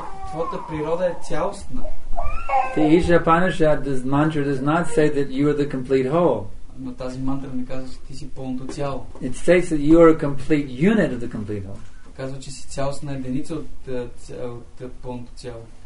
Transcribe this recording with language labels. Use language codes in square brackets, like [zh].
[bg] Твоята природа е цялостна. [en] The Isha Upanishad, this mantra, does not say that you are the complete whole. [bg] Но тази мантра ми казва, че ти си пълното цяло. [en] It states that you are a complete unit of the complete whole. [bg] Казва, че си цялостна единица от пълното цяло.